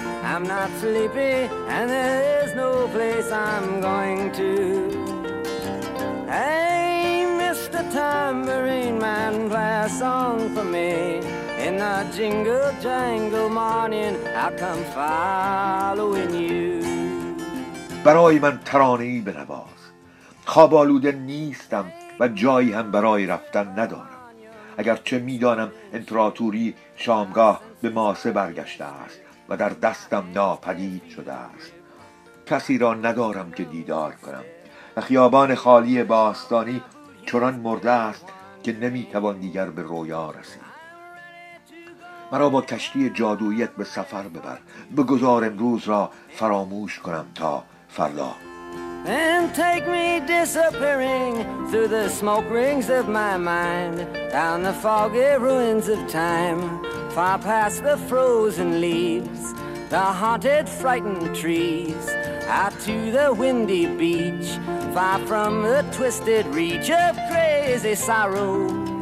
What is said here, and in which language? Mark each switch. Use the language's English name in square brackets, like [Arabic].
[English] I'm not sleepy, and there is no place I'm going to. Hey, Mr. Tambourine Man, play a song for me. In a jingle jangle morning I come following you. [Persian] برای من ترانه‌ای بنواز. خواب‌آلوده نیستم و جایی هم برای رفتن ندارم. اگرچه می‌دانم امپراتوری شامگاه به ماسه برگشته است و در دستم ناپدید شده است. کسی را ندارم که دیدار کنم و خیابان خالی باستانی چنان مرده است که نمی‌توان دیگر به رویا رسید. مرا با کشتی جادویت به سفر ببر، بگذار امروز را فراموش کنم تا فردا. [English] And take me disappearing through the smoke rings of my mind, down the foggy ruins of time, far past the frozen leaves, the haunted frightened trees, out to the windy beach, far from the twisted reach of crazy sorrow.